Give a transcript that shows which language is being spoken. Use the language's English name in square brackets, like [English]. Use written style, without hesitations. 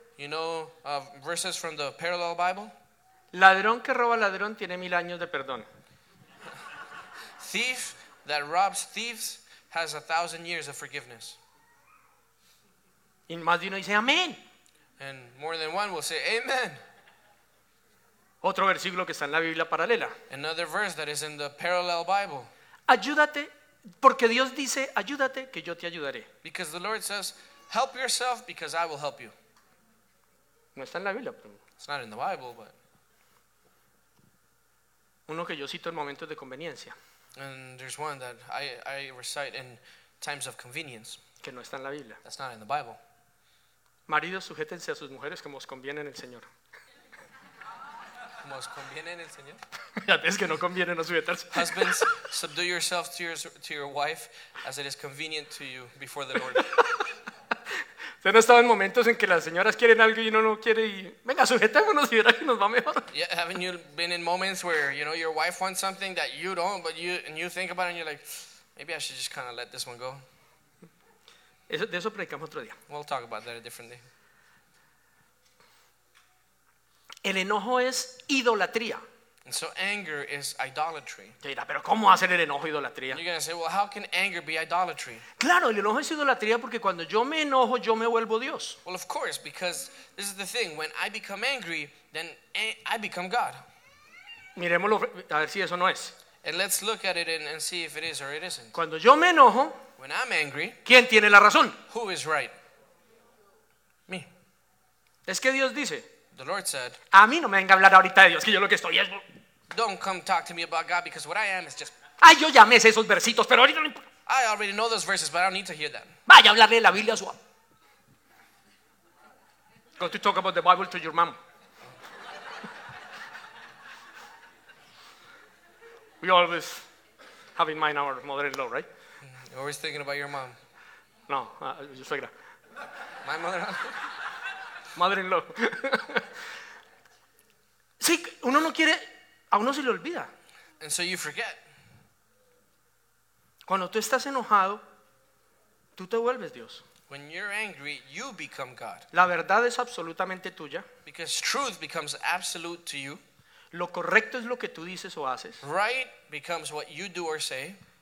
[English] You know verses from the parallel Bible? [Spanish] Ladrón que roba ladrón tiene mil años de perdón. [English] Thief that robs thieves has 1,000 years of forgiveness. [Spanish] Y más de uno dice, amén. [English] And more than one will say, amen. [Spanish] Otro versículo que está en la Biblia paralela. [English] Another verse that is in the parallel Bible. [Spanish] Ayúdate, porque Dios dice, ayúdate, que yo te ayudaré. [English] Because the Lord says, help yourself, because I will help you. [Spanish] No está en la Biblia. Pero... [English] It's not in the Bible, but... [Spanish] Uno que yo cito en momentos de conveniencia. [English] And there's one that I recite in times of convenience. [Spanish] Que no está en la Biblia. [English] That's not in the Bible. [Spanish] Maridos, sujétense a sus mujeres como os conviene en el Señor. Como os conviene en el Señor. Es que no conviene no sujetarse. [English] Husbands, subdue yourself to your wife as it is convenient to you before the Lord. [Spanish] ¿Usted no ha estado en momentos en que las señoras quieren algo y uno no quiere y venga, sujetémonos y verá que nos va mejor? [English] Yeah, haven't you been in moments where, you know, your wife wants something that you don't, but you, and you think about it and you're like, maybe I should just kind of let this one go. [Spanish] Eso, de eso predicamos otro día. [English] We'll talk about that a different day. [Spanish] El enojo es idolatría. [English] And so anger is idolatry. [Spanish] Dirá, pero ¿cómo va a ser el enojo idolatría? [English] You're going to say, well, how can anger be idolatry? [Spanish] Claro, el enojo es idolatría porque cuando yo me enojo, yo me vuelvo Dios. [English] Well, of course, because this is the thing. When I become angry, then I become God. [Spanish] Miremoslo, a ver si eso no es. [English] And let's look at it and see if it is or it isn't. [Spanish] Cuando yo me enojo, [English] when I'm angry, [Spanish] ¿quién tiene la razón? [English] Who is right? Me. [Spanish] Es que Dios dice. [English] The Lord said, [Spanish] a mí no me venga a hablar ahorita de Dios, que yo lo que estoy es... [English] Don't come talk to me about God because what I am is just... [Spanish] Ay, yo ya me sé esos versitos, pero ahorita no... [English] I already know those verses, but I don't need to hear them. [Spanish] Vaya a hablarle de la Biblia a su... [English] Go to talk about the Bible to your mom. We always have in mind our mother-in-law, right? You're always thinking about your mom. No, your suegra. My mother-in-law? Mother-in-law. [Spanish] Sí, uno no quiere, a uno se le olvida. [English] And so you forget. [Spanish] Cuando tú estás enojado, tú te vuelves Dios. [English] When you're angry, you become God. [Spanish] La verdad es absolutamente tuya. [English] Because truth becomes absolute to you. [Spanish] Lo correcto es lo que tú dices o haces. [English] Right becomes what you do or say.